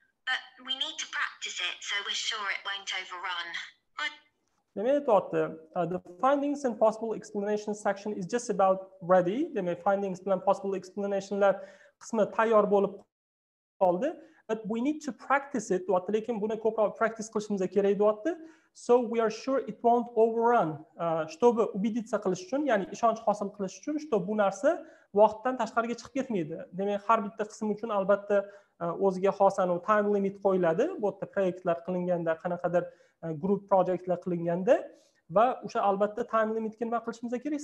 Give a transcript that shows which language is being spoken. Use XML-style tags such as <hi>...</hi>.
<en>But we need to practice it so we're sure it won't overrun. The findings and possible explanations section is just about ready. The findings and possible</en> <uz>explanationlar qismi tayyor bo'lib qoldi.</uz> <en>But we need to practice it.</en> <uz>Lekin buni ko'proq practice qilishimiz kerak deyapti.</uz> <en>So we are sure it won't overrun.</en> <uz>Shtobi ubeditsiya qilish uchun, ya'ni ishonch hosil qilish uchun, shto bu narsa vaqtdan tashqariga chiqib ketmaydi. Demak, har bitta qism uchun albatta o'ziga xos anu time limit qo'yiladi. Bu yerda proyektlar qilinganda, qanaqadir group projectlar qilinganda va o'sha albatta time limitga nima qilishimiz kerak?</uz>